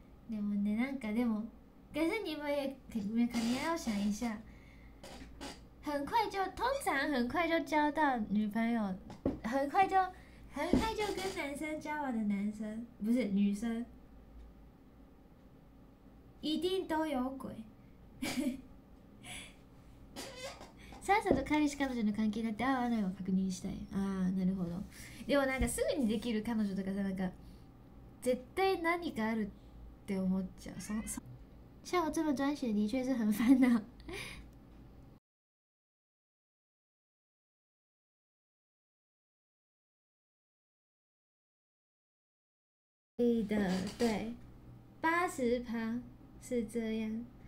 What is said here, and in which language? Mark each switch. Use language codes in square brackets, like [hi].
[ja] でもね、なんかでも、 [zh] 可是你们也肯定要想一下，通常很快就交到女朋友，很快就跟男生交往的男生，不是女生，一定都有鬼。 [ja] さっさと彼氏彼女の関係になって合わないを確認したい。あーなるほど。でもなんかすぐにできる彼女とかさ、なんか絶対何かあるって思っちゃう。 [zh] そ像我这么专学的确是很烦恼。对的，对，80%是这样。